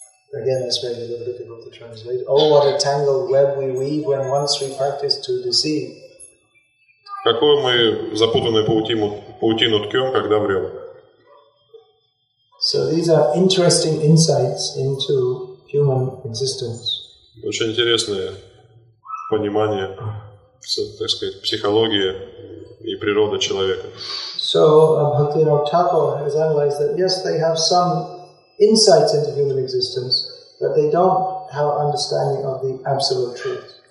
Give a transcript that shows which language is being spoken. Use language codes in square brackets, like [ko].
[en] Again, this may be a little difficult to translate. Oh, what a tangled web we weave when once we practice to deceive. [ru] Какую мы запутанную паутину ткем, когда врем. [en] So these are interesting insights into human existence. [ru] Очень интересное понимание, так сказать, психологии и природа человека. [en] So, Bhaktivinoda Thakur has analyzed that yes, they have some insights into human existence, but they don't have understanding of the absolute truth.